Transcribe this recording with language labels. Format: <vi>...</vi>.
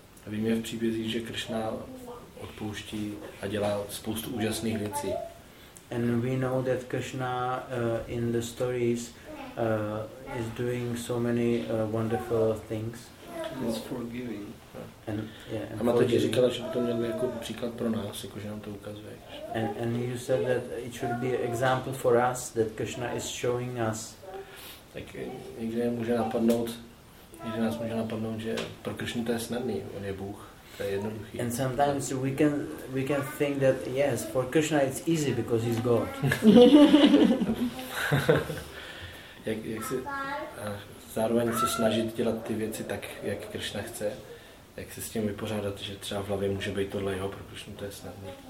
<cs>A víme v příbězích, že Krishna odpouští a dělá spoustu úžasných věcí.</cs> <en>And we know that Krishna in the stories is doing so many wonderful things. He's forgiving.</en> <cs>A Mataji říkala, že by to měl být jako příklad pro nás, jako že nám to ukazuje.</cs> <en>And you said that it should be an example for us that Krishna is showing us.</en> <cs>Tak někde může napadnout, někde nás může napadnout, že pro Krishnu to je snadný, on je Bůh.</cs> <en>And sometimes we can think that yes, for Krishna it's easy because he's God.</en> <cs>Jak se zároveň se snažit dělat ty věci tak, jak Krishna chce, jak se s tím vypořádat, že třeba v hlavě může být tohle jeho, pro Krishnu to je snadné.</cs>